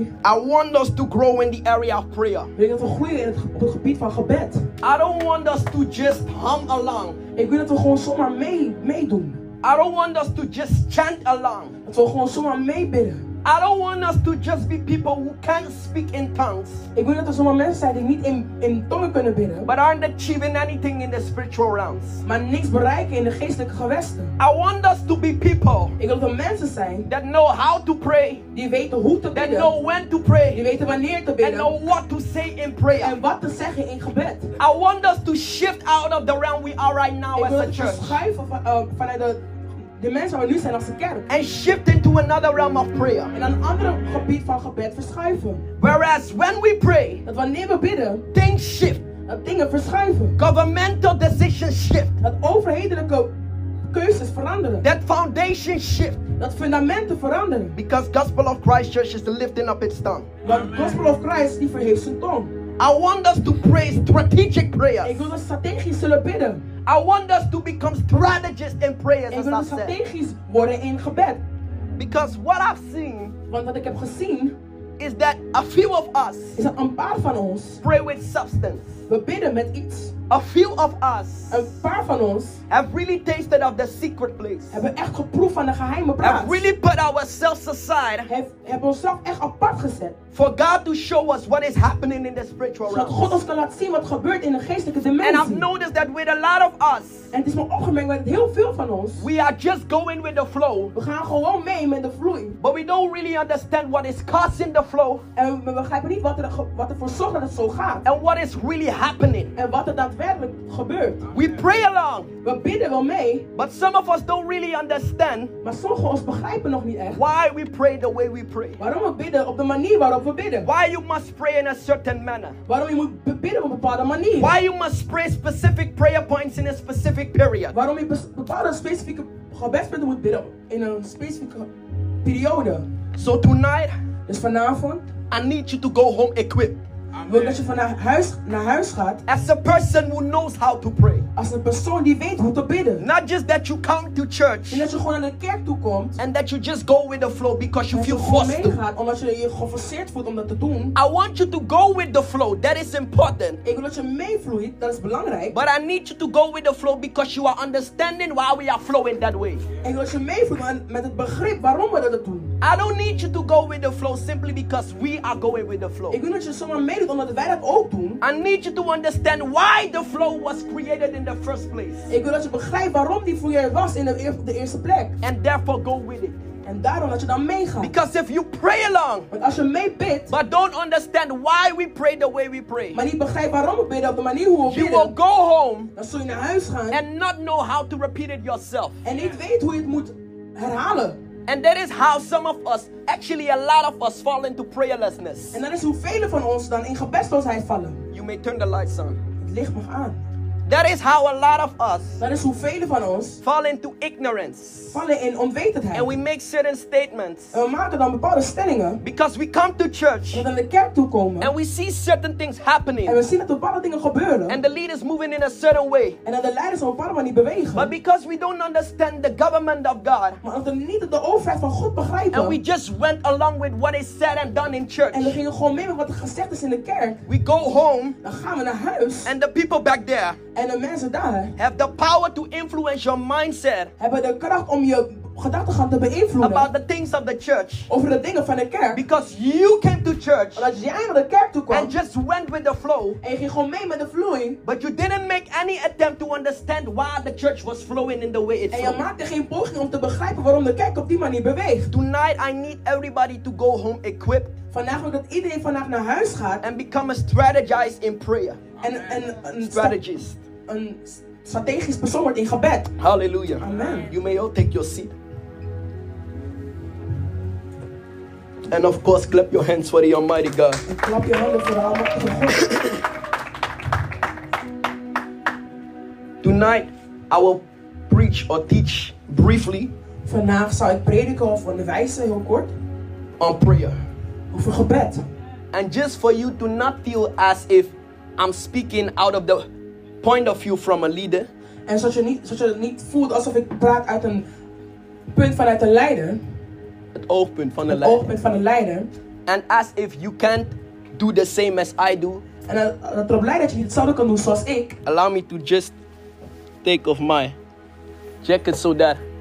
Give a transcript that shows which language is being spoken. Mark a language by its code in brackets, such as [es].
[en] I want us to grow in the area of prayer. [nl] Wil ik dat we groeien in het gebied van gebed. [en] I don't want us to just hum along. [nl] Ik wil dat we gewoon zomaar meedoen. [en] I don't want us to just chant along. [nl] Dat we gewoon zomaar meebidden. [en] I don't want us to just be people who can't speak in tongues. [nl] Ik wil dat we zomaar mensen zijn die niet in tongen kunnen bidden. [en] But aren't achieving anything in the spiritual realms. [nl] Maar niks bereiken in de geestelijke gewesten. [en] I want us to be people. [nl] Ik wil dat we mensen zijn [en] that know how to pray. [nl] Die weten hoe te bidden. [en] That know when to pray. [nl] Die weten wanneer te bidden. [en] And know what to say in prayer. [nl] En wat te zeggen in gebed. [en] I want us to shift out of the realm we are right now [nl] Ik [en] as a church. [nl] Ik wil dat we schuiven vanuit de mensen waar we nu zijn als de kerk. [en] And shift into another realm of prayer. [nl] In een ander gebied van gebed verschuiven. [en] Whereas when we pray, [nl] dat wanneer we bidden, [en] things shift. [nl] Dat dingen verschuiven. [en] Governmental decisions shift. [nl] Dat overhedelijke keuzes veranderen. [en] That foundation shift. [nl] Dat fundamenten veranderen. [en] Because Gospel of Christ Church is lifting up its tongue. [nl] Want Gospel of Christ die verheeft zijn tong. [en] I want us to pray strategic prayers. [nl] Ik wil dat strategisch zullen bidden. [en] I want us to become strategists in prayers, as I said. [nl] Ik wil strategisch worden in gebed. [en] Because what I've seen, [nl] want wat ik heb gezien, [en] is that a few of us, [nl] is dat een paar van ons, [en] pray with substance. [nl] We bidden met iets. [en] A few of us, [nl] een paar van ons, [en] have really tasted of the secret place. [nl] Hebben echt geproefd van de geheime plaats. [en] Have really put ourselves aside. [nl] Hebben onszelf echt apart gezet. [en] For God to show us what is happening in the spiritual realm. [nl] Zodat God ons kan laten zien wat gebeurt in de geestelijke dimensie. [en] And I've noticed that with a lot of us, [nl] en het is me opgemerkt met heel veel van ons, [en] we are just going with the flow. [nl] We gaan gewoon mee met de vloei. [en] But we don't really understand what is causing the flow. [nl] En we begrijpen niet wat er voor zorgt dat het zo gaat. [en] And what is really happening. [nl] En wat er daadwerkelijk gebeurt. [en] We pray along. [nl] We bidden wel mee. [en] But some of us don't really understand. [nl] Maar sommigen ons begrijpen nog niet echt. [en] Why we pray the way we pray. [nl] Waarom we bidden op de manier waarop. [en] Why you must pray in a certain manner? [nl] Waarom je moet bidden op een bepaalde manier? [en] Why you must pray specific prayer points in a specific period? [nl] Waarom je bepaalde specifieke gebedspunten moet bidden in een specifieke periode? [en] So tonight, [nl] dus vanavond, [en] I need you to go home equipped. Amen. [nl] Wil dat je van naar huis gaat. [en] As a person who knows how to pray. [nl] Als een persoon die weet hoe te bidden. [en] Not just that you come to church. [nl] En dat je gewoon naar de kerk toe komt. [en] And that you just go with the flow because you feel forced to. [nl] En dat je meegaat omdat je je geforceerd voelt om dat te doen. [en] I want you to go with the flow. That is important. [nl] Ik wil dat je meevloeit. Dat is belangrijk. [en] But I need you to go with the flow because you are understanding why we are flowing that way. [nl] Ik wil dat je meevloeit met het begrip waarom we dat doen. [en] I don't need you to go with the flow simply because we are going with the flow. [nl] Ik wil dat je zomaar meedoet omdat wij dat ook doen. [en] I need you to understand why the flow was created in the first place. [nl] Ik wil dat je begrijpt waarom die vloeier was in de eerste plek. [en] And therefore go with it. [nl] En daarom dat je dan meegaat. [en] Because if you pray along. [nl] Want als je mee bidt. [en] But don't understand why we pray the way we pray. [nl] Maar niet begrijpt waarom we bidden op de manier hoe we [en] you [nl] bidden. [en] You will go home. [nl] Dan zul je naar huis gaan. [en] And not know how to repeat it yourself. [nl] En niet weet hoe je het moet herhalen. [en] And that is how some of us, actually a lot of us, fall into prayerlessness. [nl] En dat is hoe velen van ons dan in gebedsloosheid vallen. [en] You may turn the lights on. [nl] Het licht mag aan. [en] That is how a lot of us, [nl] dat is hoe velen van ons, [en] fall into ignorance. [nl] Vallen in onwetendheid. [en] And we make certain statements. [nl] En we maken dan bepaalde stellingen. [en] Because we come to church. [nl] En dan de kerk toe komen. [en] And we see certain things happening. [nl] En we zien dat bepaalde dingen gebeuren. [en] And the leaders moving in a certain way. [nl] En dat de leiders op een bepaalde manier bewegen. [en] But because we don't understand the government of God. [nl] Maar omdat we niet de overheid van God begrijpen. [en] And we just went along with what is said and done in church. [nl] En we gingen gewoon mee met wat er gezegd is in de kerk. [en] We go home. [nl] Dan gaan we naar huis. [en] And the people back there. [nl] En de mensen daar [en] have the power to influence your mindset. [nl] Hebben de kracht om je gedachtegang te beïnvloeden. [en] About the things of the church. [nl] Over de dingen van de kerk. [en] Because you came to church. [nl] Omdat jij naar de kerk toe kwam. [en] And just went with the flow. [nl] En je ging gewoon mee met de vloei. [en] But you didn't make any attempt to understand why the church was flowing in the way it's flowing. [nl] En je maakte geen poging om te begrijpen waarom de kerk op die manier beweegt. [en] Tonight I need everybody to go home equipped. [nl] Vandaag wil ik dat iedereen vandaag naar huis gaat. [en] And become a strategist in prayer. Strategist. [nl] Een strategisch persoon wordt in gebed. [en] Halleluja. Amen. You may all take your seat. And of course, clap your hands for the Almighty God. [nl] En klap je handen voor de Almighty God. [en] Tonight, I will preach or teach briefly. [nl] Vandaag zal ik prediken of onderwijzen heel kort. [en] On prayer. [nl] Over gebed. [en] And just for you to not feel as if I'm speaking out of the point of view from a leader. [nl] En zodat je niet voelt alsof ik praat uit een punt vanuit een leider. Het oogpunt van een leider. Het oogpunt van een leider. [en] And as if you can't do the same as I do. [nl] En dat erop lijkt dat je niet hetzelfde kan doen zoals ik. [en] Allow me to just take off my jacket so that